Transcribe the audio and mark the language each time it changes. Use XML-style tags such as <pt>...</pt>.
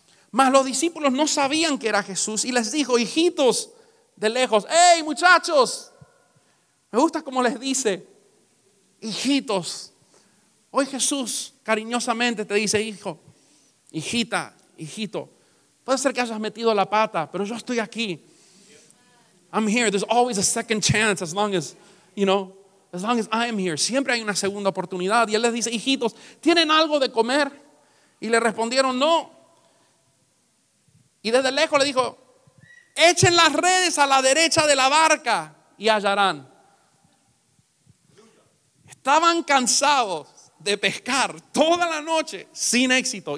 <es>Mas los discípulos no sabían que era Jesús y les dijo, hijitos, de lejos, ¡hey, muchachos! Me gusta cómo les dice, hijitos. Hoy Jesús cariñosamente te dice, hijo, hijita, hijito. Puede ser que hayas metido la pata, pero yo estoy aquí.</es> <en>I'm here, there's always a second chance as long as, you know, as long as I'm here.</en> <es>Siempre hay una segunda oportunidad. Y él les dice, hijitos, ¿tienen algo de comer? Y le respondieron, no. Y desde lejos le dijo, echen las redes a la derecha de la barca y hallarán. Estaban cansados de pescar toda la noche sin éxito.</es>